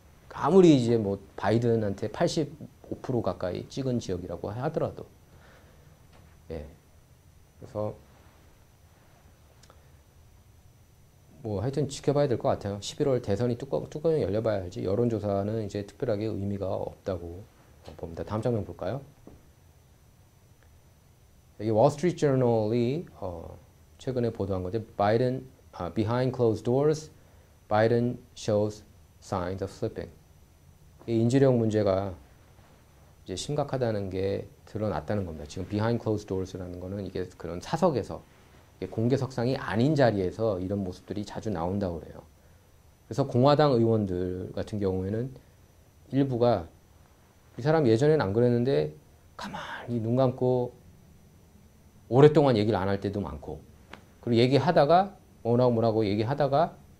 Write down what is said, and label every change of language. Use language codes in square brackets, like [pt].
[ko] 아무리 이제 뭐 바이든한테 80, 5% 가까이 찍은 지역이라고 하더라도. 예. 그래서, 뭐, 하여튼 지켜봐야 될것 같아요. 11월 대선이 뚜껑이 열려봐야지. 여론조사는 이제 특별하게 의미가 없다고 봅니다. 다음 장면 볼까요? 이게 월스트리트저널이 최근에 보도한 건데, [en] behind closed doors, Biden shows signs of slipping. [ko] 이 인지력 문제가 이제 심각하다는 게 드러났다는 겁니다. 지금 [en] behind closed doors [ko] 라는 거는 이게 그런 사석에서 공개석상이 아닌 자리에서 이런 모습들이 자주 나온다고 그래요. 그래서 공화당 의원들 같은 경우에는 일부가 이 사람 예전엔 안 그랬는데 가만히 눈 감고 오랫동안 얘기를 안할 때도 많고 그리고 얘기하다가 뭐라고 얘기하다가